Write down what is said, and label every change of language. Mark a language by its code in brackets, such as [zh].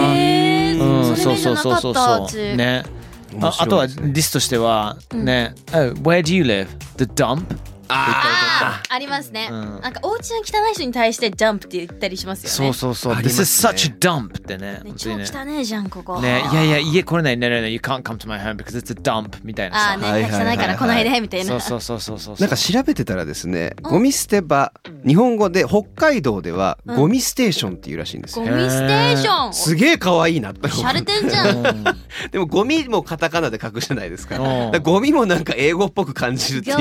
[ja] へー、うん、それ見てなかったっつ、ね、あとはディスとしては、ね、うん、 [en] oh, Where do you live? The dump? [ja] あ、ありますね、うん、なんかお家の汚い人に対してダンプって言ったりしますよね。そうそうそう、ね、 [en] This is such a dump [ja] ってね、超汚いじゃんここ、 [en] ね、 [ja] いやいや家来れない、 [en] No, no, no, you can't come to my home because it's a dump みたいなさ、 [ja] あ、ね、はいはいはいはい、汚いから来ないでみたいな、そうそうそうそうそう、なんか調べてたらですね、ゴミ捨て場、日本語で北海道ではゴミステーションっていうらしいんですよ、うん、ゴミステーション、すげえ可愛いなって、シャレてんじゃんでもゴミもカタカナで書くじゃないですか、だからゴミもなんか英語っぽく感じるっていうか、